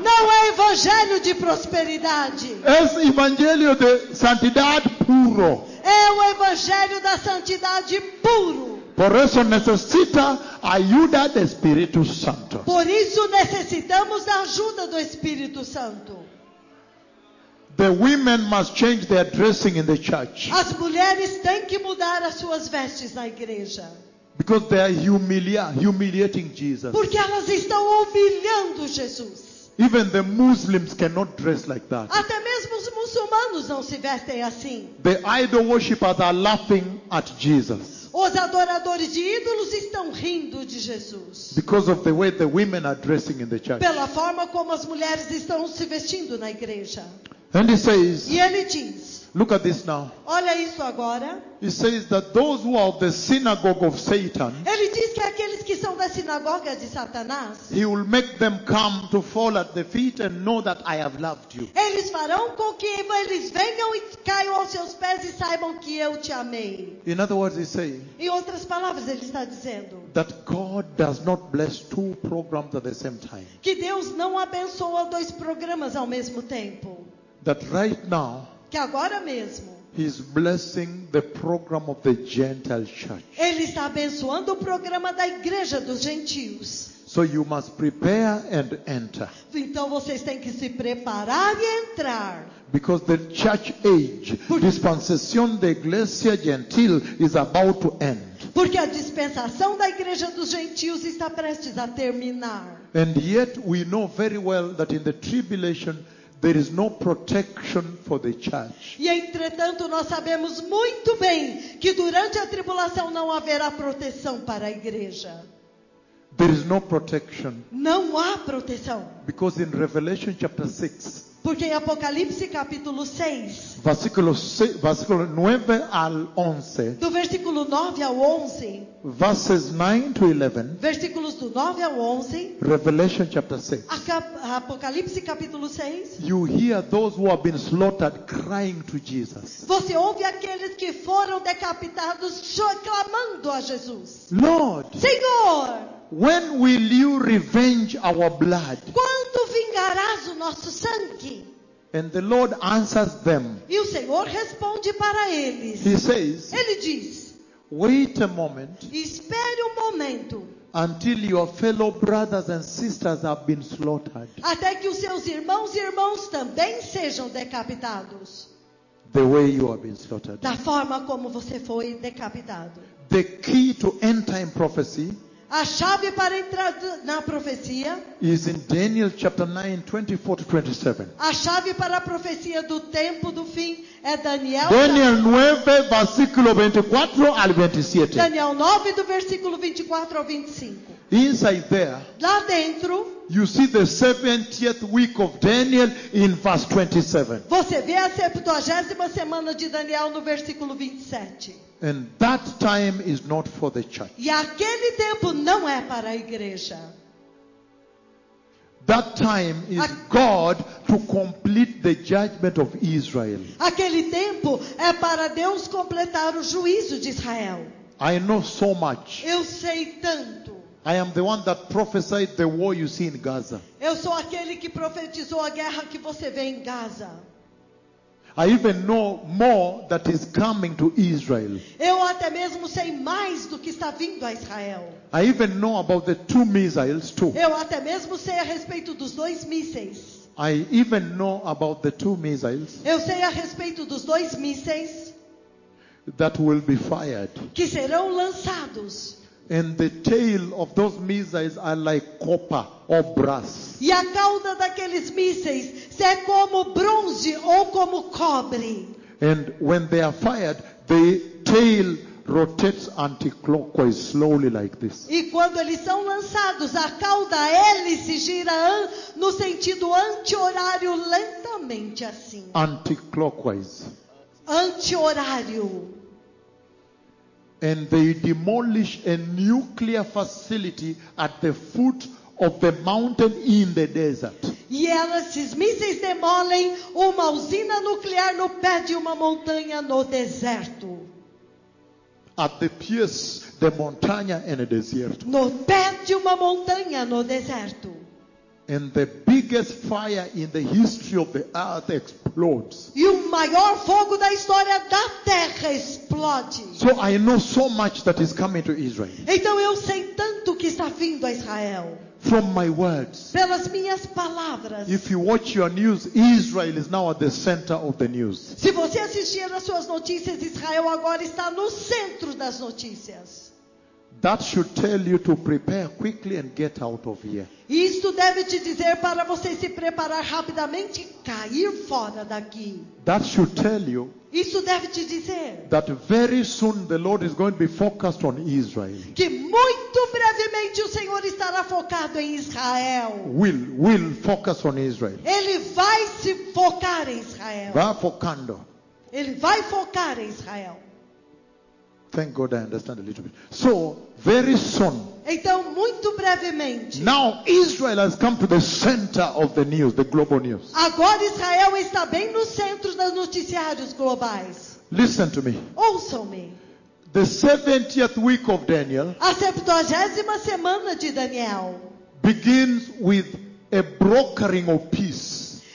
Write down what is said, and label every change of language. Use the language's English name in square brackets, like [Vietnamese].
[Portuguese] Não é evangelho de prosperidade. É evangelho de santidade puro. É o evangelho da santidade puro. Por isso necessita ajuda do Espírito Santo. Por isso necessitamos da ajuda do Espírito Santo. [English] The women must change their dressing in the church. [Portuguese] As mulheres têm que mudar as suas vestes na igreja. [English] Because they are humiliating Jesus. [Portuguese] Porque elas estão humilhando Jesus. [English] Even the Muslims cannot dress like that. [Portuguese] Até mesmo os muçulmanos não se vestem assim. [English] The idol worshippers are laughing at Jesus. [Portuguese] Os adoradores de ídolos estão rindo de Jesus. [English] Because of the way the women are dressing in the church. [Portuguese] Pela forma como as mulheres estão se vestindo na igreja. [English] And he says, [Portuguese] e ele diz, [English] Look at this now. [Portuguese] Olha isso agora. [English] He says that those who are the synagogue of Satan. [Portuguese] Ele diz que aqueles que são da sinagoga de Satanás. [English] He will make them come to fall at the feet and know that I have loved you. [Portuguese] Eles farão com que eles venham e caiam aos seus pés e saibam que eu te amei. [English] In other words, he's saying. [Portuguese] Em outras palavras, ele está dizendo. [English] That God does not bless two programs at the same time. [Portuguese] Que Deus não abençoa dois programas ao mesmo tempo. [English] That right now. [Portuguese] Que agora mesmo. [English] He's blessing the program of the Gentile church. [Portuguese] Ele está abençoando o programa da igreja dos gentios. [English] So you must prepare and enter. [Portuguese] Então vocês têm que se preparar e entrar. [English] Because the church age, [Spanish] dispensación de iglesia gentil [English] is about to end. [Portuguese] Porque a dispensação da igreja dos gentios está prestes a terminar. [English] And yet we know very well that in the tribulation there is no protection for the church. [Portuguese] E entretanto nós sabemos muito bem que durante a tribulação não haverá proteção para a igreja. [English] There is no protection. [Portuguese] Não há proteção. [English] Because in Revelation chapter 6. [Portuguese] Porque em Apocalipse capítulo 6. [Spanish] Versículo 9 al 11. [Portuguese] Do versículo 9 ao 11. [English] Verses 9 to 11. [Portuguese] Versículos do 9 ao 11. [English] Revelation chapter 6. [Portuguese] Apocalipse capítulo 6. [English] You hear those who have been slaughtered crying to Jesus. [Portuguese] Você ouve aqueles que foram decapitados clamando a Jesus. [English] Lord. [Portuguese] Senhor. [English] When will you revenge our blood? [Portuguese] Quando vingarás o nosso sangue? [English] And the Lord answers them. [Portuguese] E o Senhor responde para eles. [English] He says. [Portuguese] Ele diz. [English] Wait a moment. [Portuguese] Espere um momento. [English] Until your fellow brothers and sisters have been slaughtered. [Portuguese] Até que os seus irmãos e irmãs também sejam decapitados. [English] The way you have been slaughtered. [Portuguese] Da forma como você foi decapitado. [English] The key to end time prophecy. [Portuguese] A chave para entrar na profecia [English] is in Daniel chapter 9, 24 to 27. [Portuguese] A chave para a profecia do tempo do fim é Daniel. Daniel 9, versículo 24 ao 27. Daniel 9, do versículo 24 ao 25. [English] Inside there, [Portuguese] lá dentro, [English] you see the 70th week of Daniel in verse 27. [Portuguese] Você vê a 70ª semana de Daniel no versículo 27. [English] And that time is not for the church. [Portuguese] E aquele tempo não é para a igreja. [English] That time is God to complete the judgment of Israel. [Portuguese] Aquele tempo é para Deus completar o juízo de Israel. [English] I know so much. [Portuguese] Eu sei tanto. [English] I am the one that prophesied the war you see in Gaza. [Portuguese] Eu sou aquele que profetizou a guerra que você vê em Gaza. [English] I even know more that is coming to Israel. [Portuguese] Eu até mesmo sei mais do que está vindo a Israel. [English] I even know about the two missiles too. [Portuguese] Eu até mesmo sei a respeito dos dois mísseis. [English] I even know about the two missiles. [Portuguese] Eu sei a respeito dos dois mísseis. [English] That will be fired. [Portuguese] Que serão lançados. [English] And the tail of those missiles are like copper or brass. [Portuguese] E a cauda daqueles mísseis é como bronze ou como cobre. [English] And when they are fired, the tail rotates anti-clockwise slowly like this. [Portuguese] E quando eles são lançados, a cauda hélice gira no sentido anti-horário lentamente assim. [English] Anti-clockwise. [Portuguese] Anti-horário. [English] And they demolish a nuclear facility at the foot of the mountain in the desert. [Portuguese] E esses mísseis demolem uma usina nuclear no pé de uma montanha no deserto. [English] At the pierce the montanha in a desert. [Portuguese] No pé de uma montanha no deserto. [English] And the biggest fire in the history of the earth explodes. [Portuguese] E o maior fogo da história da Terra explode. [English] So I know so much that is coming to Israel. [Portuguese] Então eu sei tanto que está vindo a Israel. [English] From my words. [Portuguese] Pelas minhas palavras. [English] If you watch your news, Israel is now at the center of the news. [Portuguese] Se você assistir às suas notícias, Israel agora está no centro das notícias. [English] That should tell you to prepare quickly and get out of here. [Portuguese] Isto deve te dizer para você se preparar rapidamente e cair fora daqui. [English] That should tell you. [Portuguese] Isso deve te dizer. [English] That very soon the Lord is going to be focused on Israel. [Portuguese] Que muito brevemente o Senhor estará focado em Israel. [English] Will focus on Israel. [Portuguese] Ele vai se focar em Israel. [Spanish] Va focando. [Portuguese] Ele vai focar em Israel. [English] Thank God I understand a little bit. So, very soon. [Portuguese] Então, muito brevemente. [English] Now Israel has come to the center of the news, the global news. [Portuguese] Agora Israel está bem no centro dos noticiários globais. [English] Listen to me. [Portuguese] Ouçam-me. [English] The 70th week of Daniel. [Portuguese] A 70ª semana de Daniel. [English] Begins with a brokering of peace.